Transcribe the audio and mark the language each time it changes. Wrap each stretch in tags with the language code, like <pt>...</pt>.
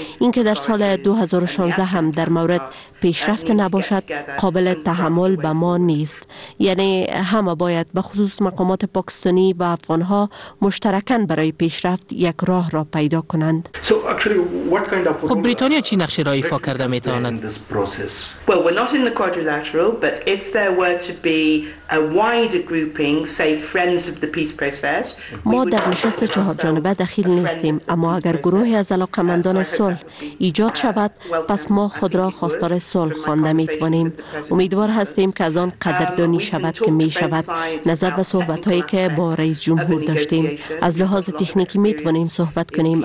<fa>اینکه در سال 2016 هم در مورد پیشرفت نباشد قابل تحمل به ما نیست. یعنی همه باید به خصوص مقامات پاکستانی و افغان ها مشترکاً برای پیشرفت یک راه را پیدا کنند. خب بریتانیا چی نقشی را ایفا کرده می تواند؟</fa> <en>Well, we're not in the quadrilateral, but if there were to be a wider grouping, say friends of the peace process,</en> <fa>ما در نشست چهار جانبه دخیل نیستیم، اما اگر گروهی از علاقمندان صلح ایجاد شود، پس ما خود را خواستار صلح خوانده می توانیم. امیدوار هستیم که از آن قدردانی شود که می شود. نظر به صحبت هایی که با رئیس جمهور داشتیم، از لحاظ تکنیکی می توانیم صحبت کنیم.</fa>